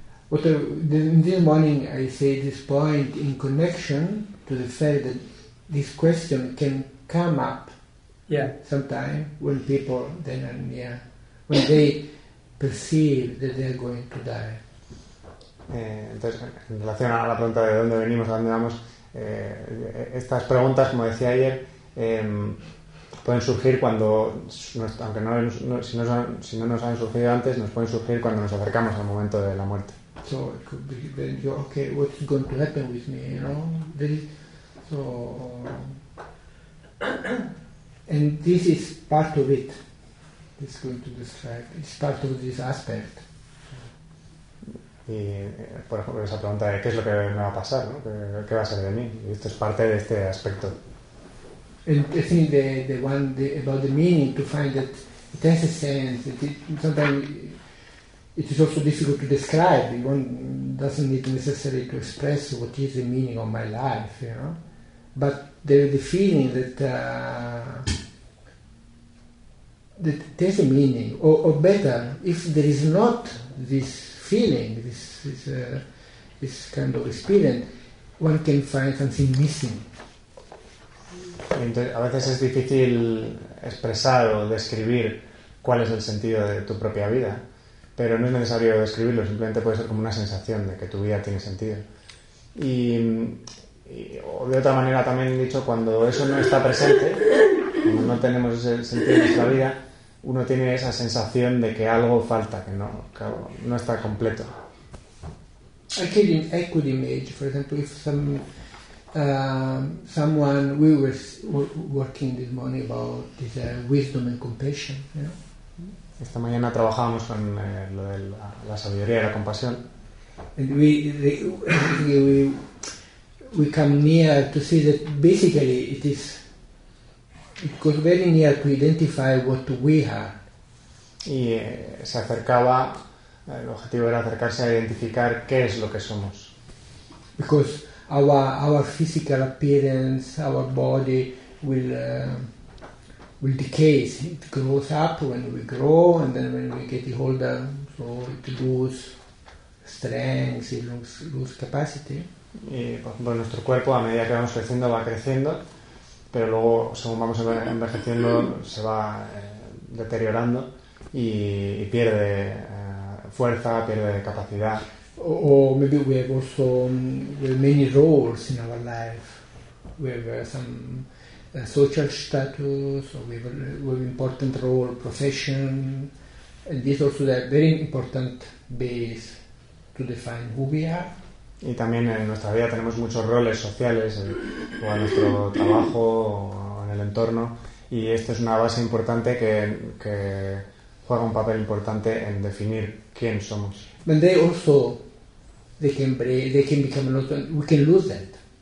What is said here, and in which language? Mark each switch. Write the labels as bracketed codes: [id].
[en] But this morning I say this point in connection to the fact that this question can come up sometime when people then are near, when they perceive that they are going to die. [es] Entonces, en relación a la pregunta de dónde venimos, a dónde vamos, estas preguntas, como decía ayer, pueden surgir cuando, aunque si no nos han surgido antes, nos pueden surgir cuando nos acercamos al momento de la muerte. [en] So it could be then you okay, what's going to happen with me, you know? So and this is part of it. It's going to describe. It's part of this aspect. [es] Y por ejemplo esa pregunta de qué es lo que me va a pasar, ¿no? ¿Qué va a ser de mí? Y esto es parte de este aspecto. [en] And I think the one about the meaning, to find that it has a sense, that it, sometimes it is also difficult to describe. One doesn't need necessarily to express what is the meaning of my life, you know. But the feeling that it has a meaning, or better, if there is not this feeling, this kind of experience, one can find something missing. [es] Entonces, a veces es difícil expresar o describir cuál es el sentido de tu propia vida, pero no es necesario describirlo, simplemente puede ser como una sensación de que tu vida tiene sentido. Y o de otra manera, también he dicho, cuando eso no está presente, cuando no tenemos ese sentido de nuestra vida, uno tiene esa sensación de que algo falta, que no está completo. [en] I could imagine, for example, if someone we were working this morning about this wisdom and compassion. You know? [es] Esta mañana trabajábamos con lo de la sabiduría y la compasión. [en] And we come near to see that basically it goes very near to identify what we are. [es] Y se acercaba. El objetivo era acercarse a identificar qué es lo que somos. [en] Because our physical appearance, our body will decay. It grows up when we grow, and then when we get older, so it loses strength, it loses capacity. [es] Y por ejemplo, nuestro cuerpo a medida que vamos creciendo va creciendo, pero luego según vamos envejeciendo se va deteriorando y pierde fuerza, pierde capacidad. [en] Or maybe we have also many roles in our life. We have some social status, or we have important role, profession, and this also a very important base to define who we are. [es] Y también en nuestra vida tenemos muchos roles sociales, o a nuestro trabajo, o en el entorno, y esto es una base importante que juega un papel importante en definir quién somos. [en] But they also, they can become not, we can lose that.